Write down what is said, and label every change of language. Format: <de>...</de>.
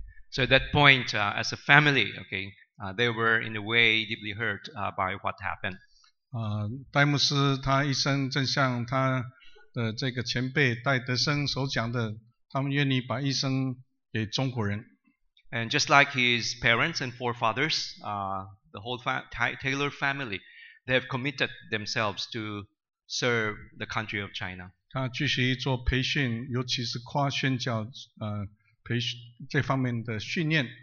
<en>So at that point, as a family, okay, they were in a way deeply hurt by what happened.</en> <zh>戴牧师他一生正像他的这个前辈戴德生所讲的，他们愿意把一生给中国人。</zh> <en>And just like his parents and forefathers, the whole Taylor family, they have committed themselves to serve the country of China.</en> <zh>他继续做培训，尤其是跨宗教培训这方面的训练。</zh>